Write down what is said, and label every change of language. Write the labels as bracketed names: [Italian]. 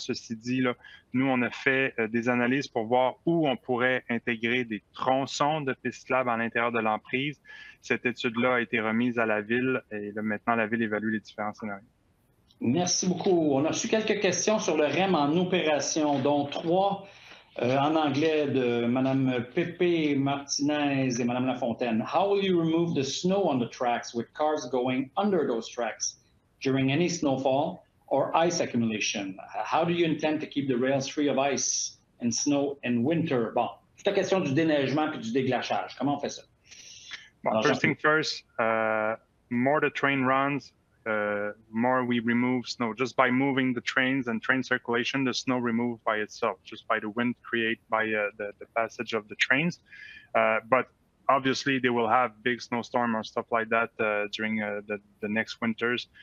[French] Ceci dit, là, nous, on a fait des analyses pour voir où on pourrait intégrer des tronçons de pistes cyclables à l'intérieur de l'emprise. Cette étude-là a été remise à la Ville et là, maintenant, la Ville évalue les différents scénarios. Merci beaucoup. On a reçu quelques questions sur le REM en opération, dont trois. En anglais, de Mme Pépé Martinez et Mme Lafontaine. [English] How will you remove the snow on the tracks with cars going under those tracks during any snowfall or ice accumulation? How do you intend to keep the rails free of ice and snow in winter? [French] Bon, c'est la question du déneigement puis du déglaçage. Comment on fait ça? [English] Bon, more the train runs, more we remove snow just by moving the trains and train circulation, the snow removed by itself, just by the wind created by the passage of the trains. But obviously they will have big snowstorm or stuff like that during the next winters.